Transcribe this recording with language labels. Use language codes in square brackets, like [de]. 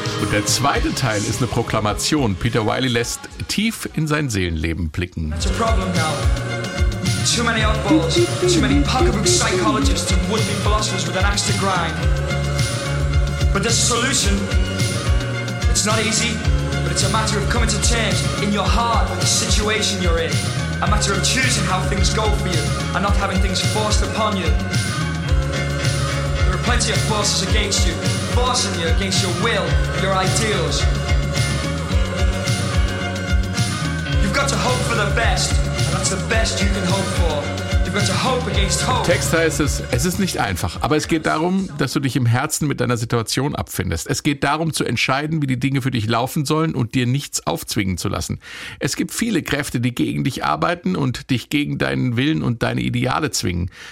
[de] Der zweite Teil ist eine Proklamation. Peter Wiley lässt tief in sein Seelenleben blicken. [en] That's a problem, Gal. Too many oddballs, too many pocketbook psychologists and would-be philosophers with an axe to grind. But the solution, it's not easy, but it's a matter of coming to terms in your heart with the situation you're in. A matter of choosing how things go for you and not having things forced upon you. There are plenty of forces against you. Forcing you against your will, your ideals. You've got to hope for the best, and that's the best you can hope for. [de] Im Text heißt es, es ist nicht einfach, aber es geht darum, dass du dich im Herzen mit deiner Situation abfindest. Es geht darum zu entscheiden, wie die Dinge für dich laufen sollen und dir nichts aufzwingen zu lassen. Es gibt viele Kräfte, die gegen dich arbeiten und dich gegen deinen Willen und deine Ideale zwingen.